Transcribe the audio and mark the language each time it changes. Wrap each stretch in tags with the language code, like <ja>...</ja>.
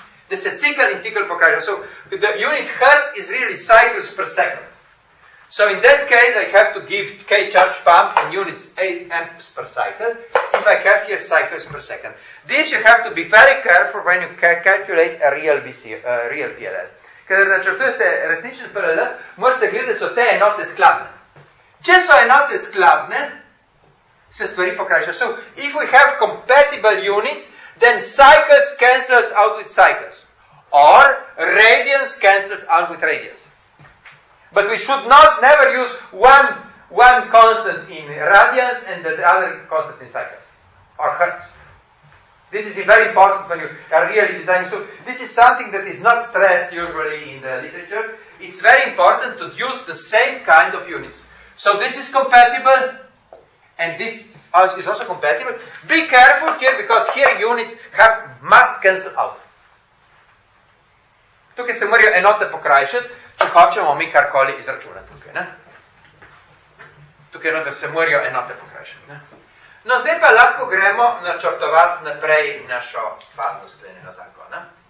<sl>Da se cikl in cikl pokaže.</sl> <en>So the unit hertz is really cycles per second. So in that case I have to give K charge pump and units 8 amps per cycle if I have here cycles per second. This you have to be very careful when you calculate a real BC, real PLL.</en> <sl>Kada načrtujete resničen PLL, morate gledati da so te enote skladne. Če so enote skladne, se stvari pokrajša.</sl> <en>So if we have compatible units, then cycles cancels out with cycles. Or radians cancels out with radians. But we should not never use one constant in radians and the other constant in cycles. Or hertz. This is very important when you are really designing. So this is something that is not stressed usually in the literature. It's very important to use the same kind of units. So this is compatible. And this is also compatible. Be careful here, because here units have must cancel out.</en> <sl>Tukaj se morajo enote pokrajšati, če hočemo mi kar koli izračunati tukaj. Ne? Tukaj enote se morajo enote pokrajšati. Ne? No, zdaj pa lahko gremo načrtovati naprej našo fazno sklenjeno zakona.</sl>